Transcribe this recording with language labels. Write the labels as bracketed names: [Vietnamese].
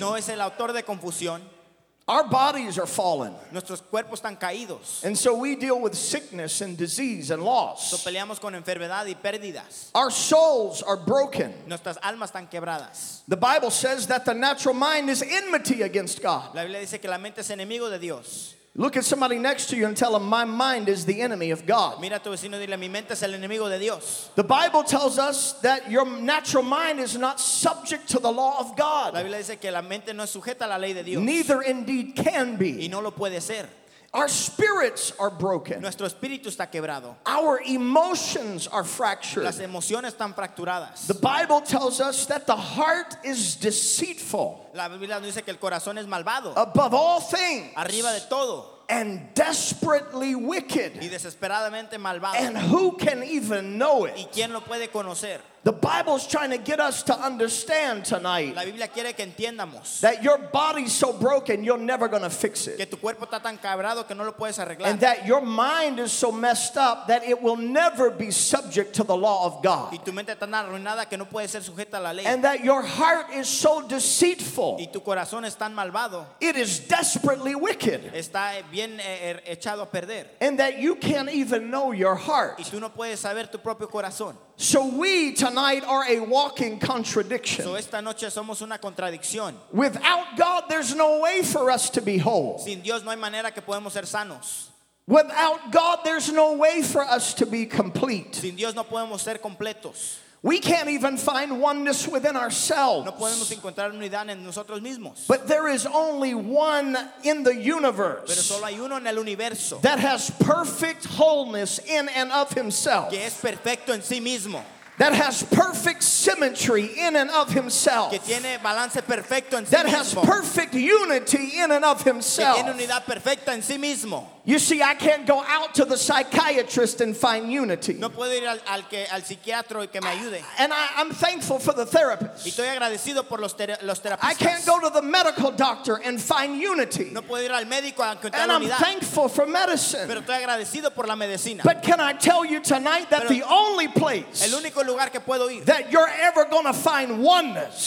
[Spanish] No es el autor de confusión. [English] Our bodies are fallen. [Spanish] Nuestros cuerpos están caídos. [English] And so we deal with sickness and disease and loss. [Spanish] So peleamos con enfermedad y pérdidas. [English] Our souls are broken. [Spanish] Nuestras almas están quebradas. [English] The Bible says that the natural mind is enmity against God. [Spanish] La Biblia dice que la mente es enemigo de Dios. [English] Look at somebody next to you and tell them, my mind is the enemy of God. [Spanish] Mira a tu vecino y dile, mi mente es el enemigo de Dios. [English] The Bible tells us that your natural mind is not subject to the law of God. [Spanish] La Biblia dice que la mente no es sujeta a la ley de Dios. [English] Neither indeed can be. [Spanish] Y no lo puede ser. [English] Our spirits are broken. [Spanish] Nuestro espíritu está quebrado. [English] Our emotions are fractured. [Spanish] Las emociones están fracturadas. [English] The Bible tells us that the heart is deceitful. [Spanish] La Biblia nos dice que el corazón es malvado. [English] Above all things. [Spanish] Arriba de todo. [English] And desperately wicked. [Spanish] Y desesperadamente malvado. [English] And who can even know it? [Spanish] ¿Y quién lo puede conocer? [English] The Bible's trying to get us to understand tonight. [Spanish] La Biblia quiere que entendamos. [English] That your body's so broken, you're never going to fix it. [Spanish] Que tu cuerpo está tan quebrado que no lo puedes arreglar. [English] And that your mind is so messed up that it will never be subject to the law of God. [Spanish] Y tu mente está tan arruinada que no puede ser sujeta a la ley. [English] And that your heart is so deceitful. [Spanish] Y tu corazón es tan malvado. [English] It is desperately wicked. [Spanish] Está bien echado a perder. [English] And that you can't even know your heart. [Spanish] Y tú no puedes saber tu propio corazón. [English] So we tonight are a walking contradiction. [Spanish] So esta noche somos una contradicción. [English] Without God, there's no way for us to be whole. [Spanish] Sin Dios, no hay manera que podemos ser sanos. [English] Without God, there's no way for us to be complete. [Spanish] Sin Dios, no podemos ser completos. [English] We can't even find oneness within ourselves. [Spanish] No podemos encontrar unidad en nosotros mismos. [English] But there is only one in the universe. [Spanish] Pero solo hay uno en el universo. [English] That has perfect wholeness in and of himself. [Spanish] Que es perfecto en sí mismo. [English] That has perfect symmetry in and of himself. [Spanish] Que tiene balance perfecto en sí [English] that [Spanish] mismo. [English] Has perfect unity in and of himself. [Spanish] Que tiene unidad perfecta en sí mismo. [English] You see, I can't go out to the psychiatrist and find unity. [Spanish] No puedo ir al psiquiatra y que me ayude. [English] And I'm thankful for the therapist. [Spanish] Y estoy agradecido por los terapeutas. [English] I can't go to the medical doctor and find unity. [Spanish] No puedo ir al médico a encontrar [English] unidad. And I'm thankful for medicine. [Spanish] Pero estoy agradecido por la medicina. [English] But can I tell you tonight that the only place [Spanish] el único lugar que puedo ir [English] that you're ever going to find oneness,